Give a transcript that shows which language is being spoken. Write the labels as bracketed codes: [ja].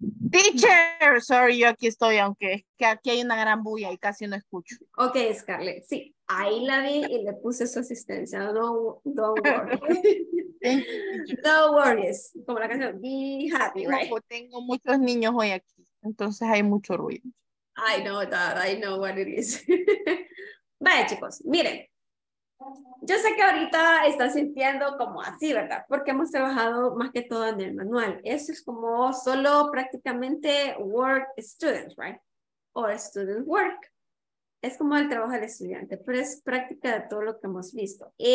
[en] Teacher, sorry, [es] yo aquí estoy, aunque que aquí hay una gran bulla y casi no escucho. Ok, Scarlett, sí, ahí la vi y le puse su asistencia, [en] don't worry, [es] como la canción, [en] be happy, [es] right? No, tengo muchos niños hoy aquí, entonces hay mucho ruido. [en] I know that, I know what it is. [es] Vaya chicos, miren, yo sé que ahorita está sintiendo como así, ¿verdad? Porque hemos trabajado más que todo en el manual. Eso es como solo prácticamente work student, right? O student work. Es como el trabajo del estudiante, pero es práctica de todo lo que hemos visto.